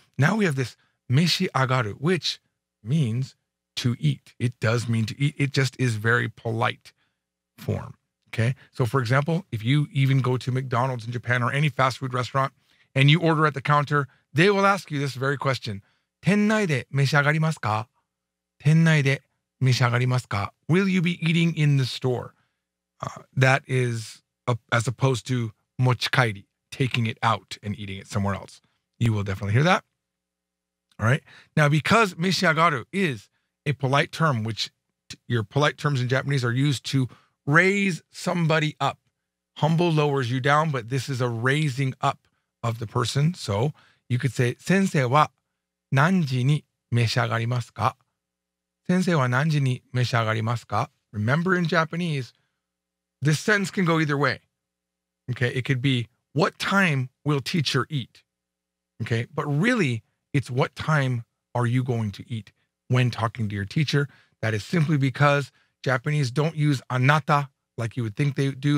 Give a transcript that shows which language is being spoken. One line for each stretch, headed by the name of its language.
English: Now we have this 召し上がる, which means to eat. It does mean to eat. It just is very polite form. Okay, so for example, if you even go to McDonald's in Japan or any fast food restaurant and you order at the counter, they will ask you this very question.
Japanese: 店内で召し上がりますか?店内で召し上がりますか?
English: Will you be eating in the store? That is as opposed to 持ち帰り, taking it out and eating it somewhere else. You will definitely hear that. All right. Now, because 召し上がる is a polite term, which your polite terms in Japanese are used to raise somebody up. Humble lowers you down, but this is a raising up of the person. So you could say,
Japanese: 先生は何時に召し上がりますか? 先生は何時に召し上がりますか?
English: Remember in Japanese, this sentence can go either way. Okay, it could be, what time will teacher eat? Okay, but really, it's what time are you going to eat when talking to your teacher? That is simply because Japanese don't use anata like you would think they do.